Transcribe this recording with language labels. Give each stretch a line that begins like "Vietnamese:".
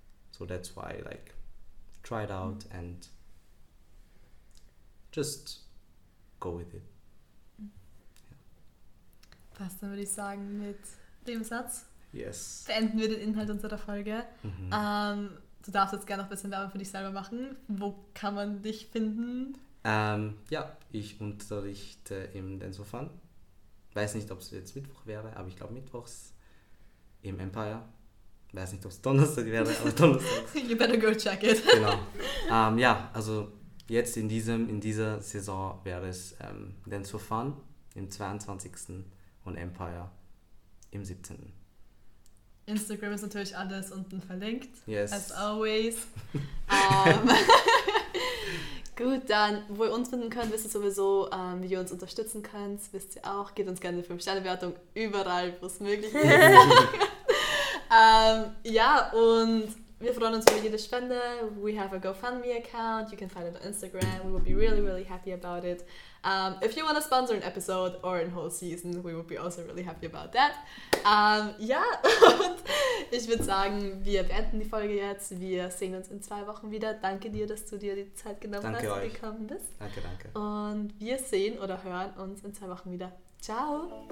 English: So that's why, like, try it out and just go with it.
German: Was dann würde ich sagen mit dem Satz?
English: Yes.
German: Beenden wir den Inhalt unserer Folge. Mhm. Du darfst jetzt gerne noch ein bisschen Werbung für dich selber machen. Wo kann man dich finden? Ich unterrichte im Dance4Fun. Weiß nicht, ob es jetzt Mittwoch wäre, aber ich glaube mittwochs im Empire. Weiß nicht, ob es Donnerstag wäre, aber Donnerstag.
English: You better go check it.
German: Genau. Jetzt in dieser Saison wäre es Dance4Fun im 22. und Empire im 17. Instagram ist natürlich alles unten verlinkt.
English: Yes. As always.
German: Gut, dann, wo ihr uns finden könnt, wisst ihr sowieso, wie ihr uns unterstützen könnt, wisst ihr auch. Gebt uns gerne eine 5-Sterne-Bewertung überall, wo es möglich ist. ja, und wir freuen uns über jede Spende.
English: We have a GoFundMe account. You can find it on Instagram. We would be really, really happy about it. If you want to sponsor an episode or a whole season, we would be also really happy about that.
German: Ja, und ich würde sagen, wir beenden die Folge jetzt. Wir sehen uns in 2 Wochen wieder. Danke dir, dass du dir die Zeit genommen danke hast euch. Und gekommen bist. Danke, danke. Und wir sehen oder hören uns in 2 Wochen wieder. Ciao.